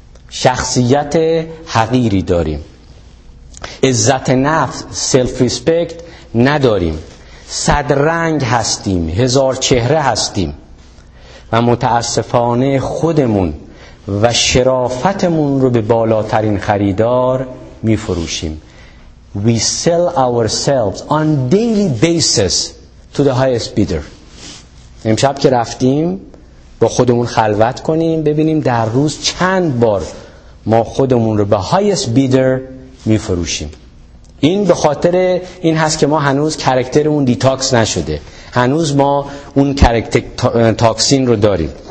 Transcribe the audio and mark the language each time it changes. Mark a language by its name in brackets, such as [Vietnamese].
[Persian] شخصیت حقیری داریم، عزت نفس سلف ریسپکت نداریم، صد رنگ هستیم، هزار چهره هستیم و متاسفانه خودمون و شرافتمون رو به بالاترین خریدار میفروشیم. [English] We sell ourselves on daily basis to the highest bidder. [Persian] امشب که رفتیم با خودمون خلوت کنیم، ببینیم در روز چند بار ما خودمون رو به [English] highest bidder [Persian] میفروشیم. این به خاطر این هست که ما هنوز کرکترمون دیتاکس نشده، هنوز ما اون کرکتر تاکسین رو داریم.